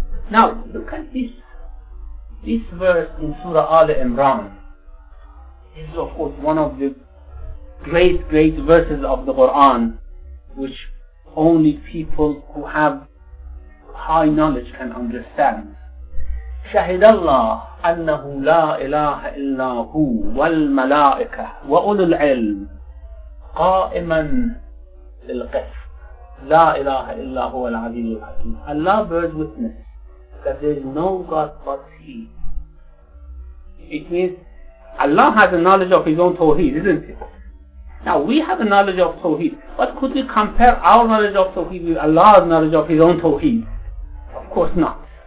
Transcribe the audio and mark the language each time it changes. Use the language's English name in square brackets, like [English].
[English] Now, look at this. This verse in Surah Ali Imran is, of course, one of the great, great verses of the Quran, which only people who have high knowledge can understand. [Arabic] شهد الله أنه لا إله إلا هو والملائكة وأولو العلم قائما للقسط لا إله إلا هو العزيز الحكيم. [English] Allah bears witness that there is no God but He. It means Allah has a knowledge of His own Tawheed, isn't it? Now we have a knowledge of Tawheed, but could we compare our knowledge of Tawheed with Allah's knowledge of His own Tawheed? Of course not.